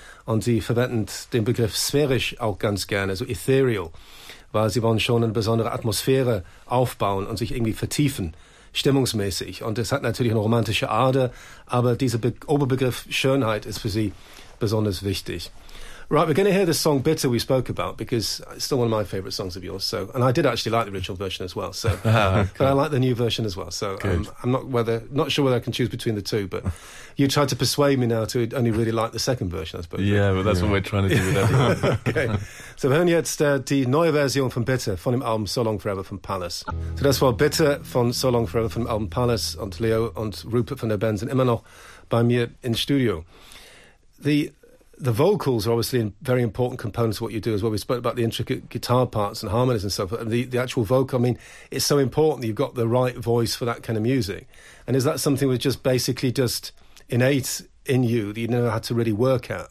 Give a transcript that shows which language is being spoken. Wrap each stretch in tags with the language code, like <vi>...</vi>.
<de>Und sie verwenden den Begriff sphärisch auch ganz gerne, so ethereal, weil sie wollen schon eine besondere Atmosphäre aufbauen und sich irgendwie vertiefen, stimmungsmäßig. Und es hat natürlich eine romantische Ader, aber dieser Oberbegriff Schönheit ist für sie besonders wichtig.</de> <en>Right, we're going to hear the song Bitter we spoke about, because it's still one of my favourite songs of yours. So, and I did actually like the original version as well. So, but I like the new version as well. So I'm not sure whether I can choose between the two, but you tried to persuade me now to only really like the second version, I suppose. Yeah, but that's what we're trying to do with everyone. Okay.</en> <de>So wir hören jetzt die neue Version von Bitter von dem Album So Long Forever von Palace. So das war Bitter von So Long Forever von dem Album Palace, und Leo und Rupert von der Band sind immer noch bei mir in Studio.</de> <en>The vocals are obviously a very important component of what you do as well. We spoke about the intricate guitar parts and harmonies and stuff. And the actual vocal, I mean, it's so important that you've got the right voice for that kind of music. And is that something that's just basically just innate in you that you never had to really work at?</en>